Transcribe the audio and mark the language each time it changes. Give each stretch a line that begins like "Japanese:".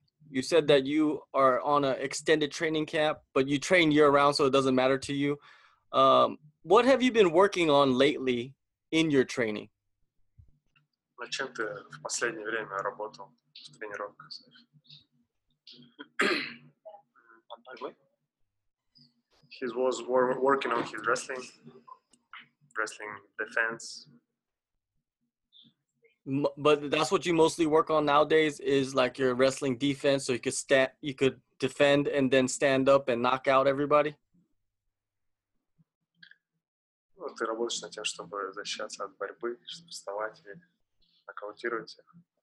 English: You said that you are on an extended training camp, but you train year-round, so it doesn't matter to you. What have you been working on lately in your training?
Russian: На чем ты в последнее время работал в тренировках?
English: He was working on his wrestling defense. But that's what you mostly work on nowadays, is like your wrestling defense, so you could defend and then stand up and knock out everybody.
Russian: Ну, ты работаешь над тем, чтобы защищаться от борьбы, чтобы вставать и нокаутировать всех.